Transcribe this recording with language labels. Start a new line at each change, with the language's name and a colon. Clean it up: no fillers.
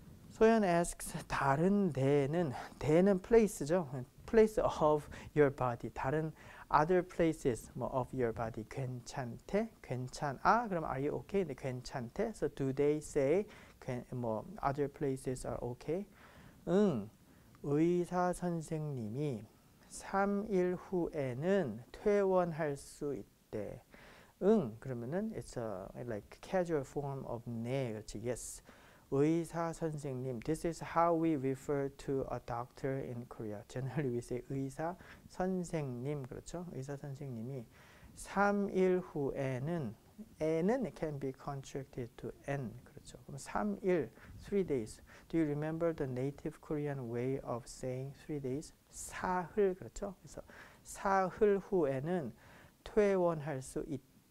Korean: 소연 asks, 다른 데는, 데는 place죠.
English: Place of your body.
Korean: 다른
English: other places of your body.
Korean: 괜찮대? 괜찮아? 그럼
English: are you okay?
Korean: 네, 괜찮대?
English: So do they say, 뭐, other places are okay?
Korean: 응, 의사 선생님이 3일 후에는 퇴원할 수 있대. 응, 그러면은
English: it's a like casual form of
Korean: 네, 그렇지,
English: yes. 의사 선생님, this is how we refer to a doctor in Korea. Generally we say
Korean: 의사 선생님, 그렇죠? 의사 선생님이 3일 후에는, 에는
English: can be contracted to n,
Korean: 그렇죠? 그럼 3일,
English: 3 days. Do you remember the native Korean way of saying 3 days?
Korean: 사흘, 그렇죠? 그래서 사흘 후에는 퇴원할 수 있다.